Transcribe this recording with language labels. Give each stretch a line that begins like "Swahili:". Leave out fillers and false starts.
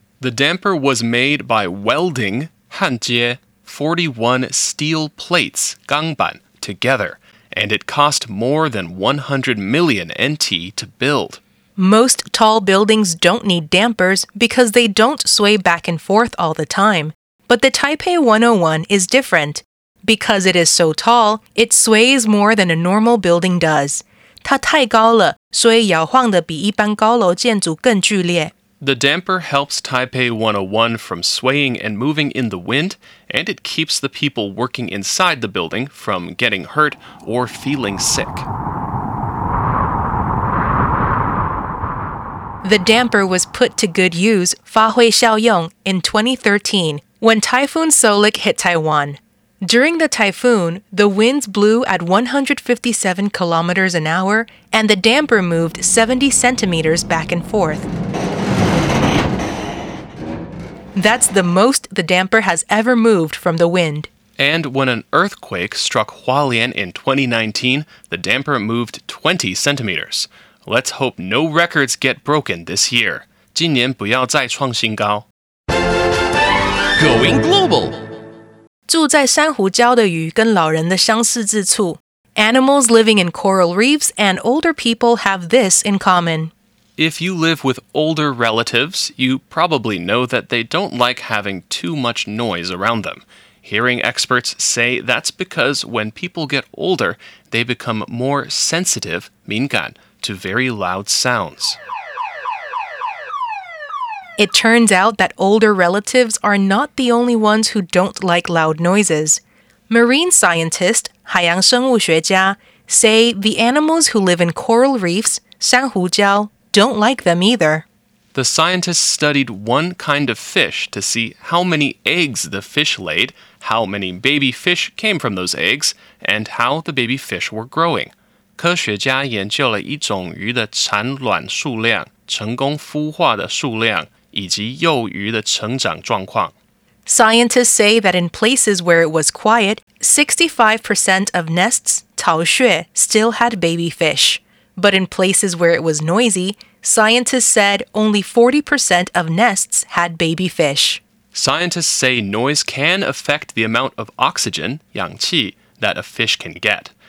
English: The damper was made by welding 41 steel plates 钢板, together, and it cost more than 100 million NT to build. Most tall buildings don't need dampers because they don't sway back and forth all the time. But the Taipei 101 is different. Because it is so tall, it sways more than a normal building does.
Chinese: 它太高了，所以摇晃得比一般高楼建筑更剧烈。
English: The damper helps Taipei 101 from swaying and moving in the wind, and it keeps the people working inside the building from getting hurt or feeling sick. The damper was put to good use, 发挥效用, in 2013, when Typhoon Solik hit Taiwan. During the typhoon, the winds blew at 157 kilometers an hour, and the damper moved 70 centimeters back and forth. That's the most the damper has ever moved from the wind. And when an earthquake struck Hualien in 2019, the damper moved 20 centimeters. Let's hope no records get broken this year.
Chinese: 今年不要再创新高。
English: Going global!
Chinese: 住在珊瑚礁的鱼跟老人的相似之处。
English: Animals living in coral reefs and older people have this in common. If you live with older relatives, you probably know that they don't like having too much noise around them. Hearing experts say that's because when people get older, they become more sensitive, 敏感, to very loud sounds. It turns out that older relatives are not the only ones who don't like loud noises. Marine scientist, 海洋生物学家, say the animals who live in coral reefs, 珊瑚礁, don't like them either. The scientists studied one kind of fish to see how many eggs the fish laid, how many baby fish came from those eggs, and how the baby fish were growing.
Chinese: 科学家研究了一种鱼的产卵数量、成功孵化的数量以及幼鱼的成长状况。
English: Scientists say that in places where it was quiet, 65% of nests, 巢穴, still had baby fish. But in places where it was noisy, scientists said only 40% of nests had baby fish. Scientists say noise can affect the amount of oxygen, 氧气, that a fish can get.